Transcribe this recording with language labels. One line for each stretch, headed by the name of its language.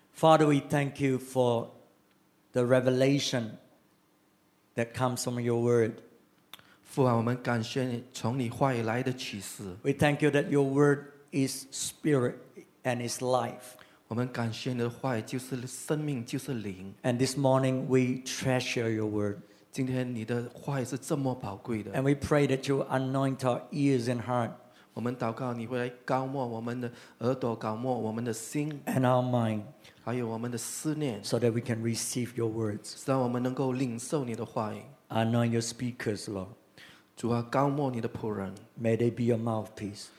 English: Father, we thank you for the revelation that comes from your word.
Chinese: 父啊，我们感谢你从你话语来的启示。
English: We thank you that your word is spirit and is life.
Chinese: 我们感谢你的话语就是生命，就是灵。
English: And this morning we treasure your word.
Chinese: 今天你的话语是这么宝贵的。
English: And we pray that you anoint our ears and heart.
Chinese: 我们祷告你会来膏抹我们的耳朵，膏抹我们的心。
English: And our mind.
Chinese: 还有我们的思念
English: so that we can receive your words.
Chinese: 使我们能够领受你的话语。
English: Anoint your speakers, Lord.
Chinese: 主啊，膏抹你的仆人。
English: May they be your mouthpiece.